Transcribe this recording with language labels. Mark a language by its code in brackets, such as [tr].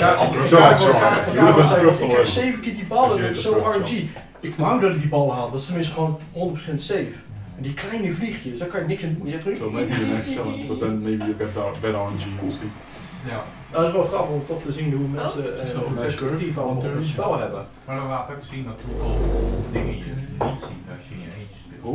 [nl] Ik zat te kijken van wat is er nou? Ik dacht dat ik heb 7 keer die ballen en zo RNG. Ik wou dat ik die ballen haal, dat is tenminste gewoon 100% safe. En die kleine vliegjes, daar kan je niks aan doen. [en] So maybe the next challenge, but then maybe you get that better RNG, we'll see. [nl] Dat is wel grappig om toch te zien hoe mensen een perspectief van het spel hebben. Maar dan laat ik zien dat hoeveel dingen je niet ziet als je in je eentje speelt.